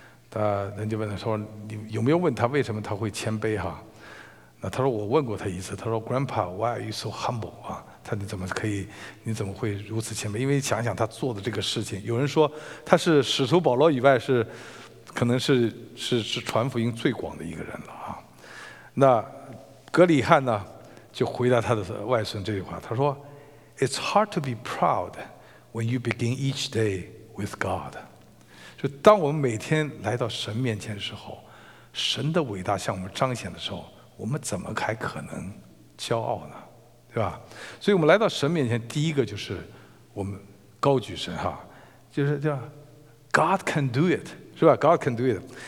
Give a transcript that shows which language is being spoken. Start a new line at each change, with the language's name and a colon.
Chinese: 他人家问他说你有没有问他为什么他会谦卑哈？那他说我问过他一次，他说
English: Grandpa why are you so humble
Chinese: 啊？他说你怎么会如此谦卑？因为想想他做的这个事情，有人说他是使徒保罗以外是可能是传福音最广的一个人了啊。那格里汉呢就回答他的外孙这句话，他说
English: It's hard to be proud when you begin each day with God。
Chinese: 就当我们每天来到神面前的时候，神的伟大向我们彰显的时候，我们怎么还可能骄傲呢？对吧？所以我们来到神面前，第一个就是我们高举神哈，就是叫
English: God can do it，
Chinese: 是吧 ？God can do it。